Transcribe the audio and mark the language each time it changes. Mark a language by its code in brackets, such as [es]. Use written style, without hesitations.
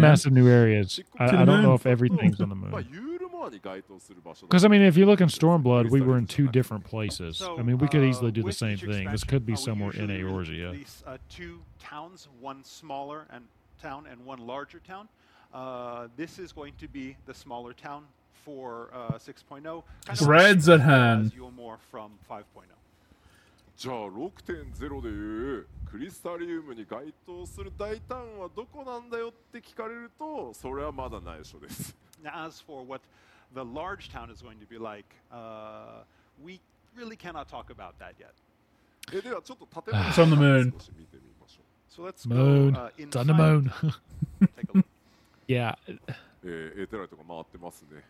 [en] Massive new areas. I don't know if everything's on the moon. Because, I mean, if you look in Stormblood, we were in two different places. I mean, we could easily do the same thing. This could be somewhere in Eorzea. Two towns, one smaller town and one larger town. This is going to be the smaller town for 6.0. Red's at hand. You'll more from 5.0. [ja] じゃあ 6.0 でいうクリスタリウムに該当する大胆はどこなんだよって聞かれるとそれはまだ内緒です。 [en] Now, as for what the large town is going to be like, we really cannot talk about that yet. [ja] えではちょっと建物をし見てみましょう。 [en] So let's go inside. Take a look. Yeah. [ja] エーテライトが回ってますね。